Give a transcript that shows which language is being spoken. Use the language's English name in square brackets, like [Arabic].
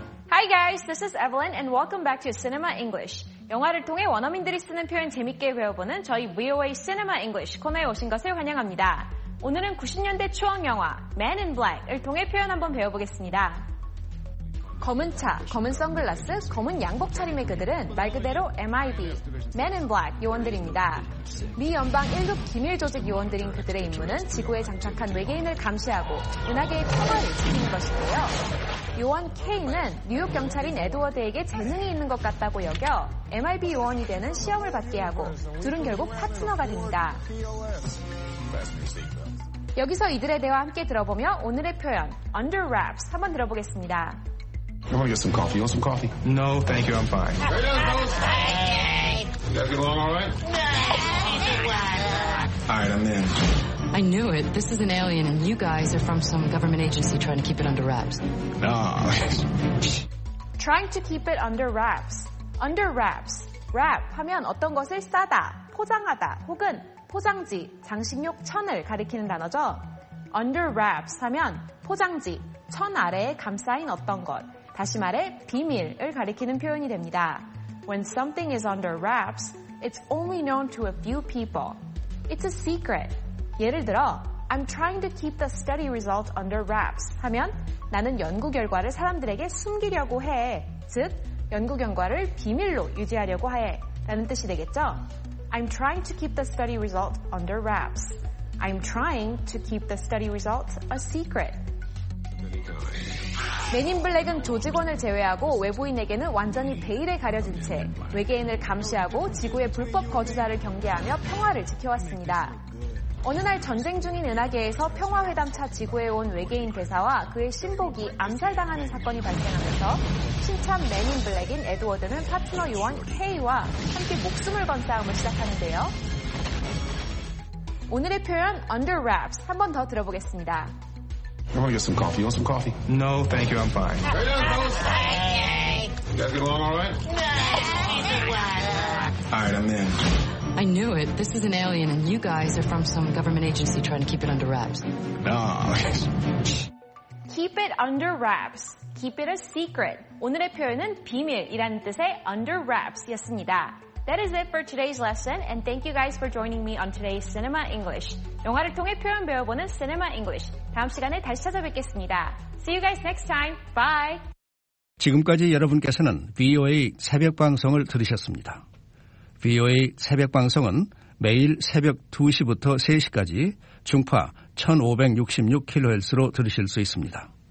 [English] Hi guys, this is Evelyn and welcome back to Cinema English. [Korean] 영화를 통해 원어민들이 쓰는 표현 재밌게 배워보는 저희 VOA Cinema English 코너에 오신 것을 환영합니다. 오늘은 90년대 추억 영화 Man in Black을 통해 표현 한번 배워보겠습니다. 검은 차, 검은 선글라스, 검은 양복 차림의 그들은 말 그대로 MIB, Man in Black 요원들입니다. 미 연방 1급 기밀 조직 요원들인 그들의 임무는 지구에 장착한 외계인을 감시하고 은하계의 평화를 지키는 것인데요. 요원 K는 뉴욕 경찰인 에드워드에게 재능이 있는 것 같다고 여겨 MIB 요원이 되는 시험을 받게 하고 둘은 결국 파트너가 됩니다. 여기서 이들의 대화 함께 들어보며 오늘의 표현 under wraps 한번 들어보겠습니다. [English] You want to get some coffee? You want some coffee? No, thank you. I'm fine. Hey, you guys get along all right? No. All right, I'm in. I knew it. This is an alien, and you guys are from some government agency trying to keep it under wraps. Trying to keep it under wraps. Under wraps. [Korean] Wrap 하면 어떤 것을 싸다, 포장하다, 혹은 포장지, 장식용 천을 가리키는 단어죠. Under wraps 하면 포장지, 천 아래에 감싸인 어떤 것, 다시 말해 비밀을 가리키는 표현이 됩니다. [English] When something is under wraps, it's only known to a few people. It's a secret. [Korean] 예를 들어, [English] I'm trying to keep the study result under wraps [Korean] 하면 나는 연구 결과를 사람들에게 숨기려고 해. 즉, 연구 결과를 비밀로 유지하려고 해. 라는 뜻이 되겠죠? [English] I'm trying to keep the study result under wraps. I'm trying to keep the study result a secret. [Korean] 맨인블랙은 조직원을 제외하고 외부인에게는 완전히 베일에 가려진 채 외계인을 감시하고 지구의 불법 거주자를 경계하며 평화를 지켜왔습니다. 어느 날 전쟁 중인 은하계에서 평화회담차 지구에 온 외계인 대사와 그의 신복이 암살당하는 사건이 발생하면서 신참 맨인블랙인 에드워드는 파트너 요원 K와 함께 목숨을 건 싸움을 시작하는데요. 오늘의 표현 Under Wraps 한 번 더 들어보겠습니다. [English] I want to get some coffee. You want some coffee? No, thank you. I'm fine. Hey, you guys get along all right? All right, I'm in. I knew it. This is an alien, and you guys are from some government agency trying to keep it under wraps. No. Keep it under wraps. Keep it a secret. [Korean] 오늘의 표현은 비밀이라는 뜻의 under wraps였습니다. [English] That is it for today's lesson, and thank you guys for joining me on today's Cinema English. [Korean] 영화를 통해 표현 배워보는 Cinema English. 다음 시간에 다시 찾아뵙겠습니다. [English] See you guys next time. Bye. [Korean] 지금까지 여러분께서는 VOA 새벽 방송을 들으셨습니다. VOA 새벽 방송은 매일 새벽 2시부터 3시까지 중파 1566kHz로 들으실 수 있습니다.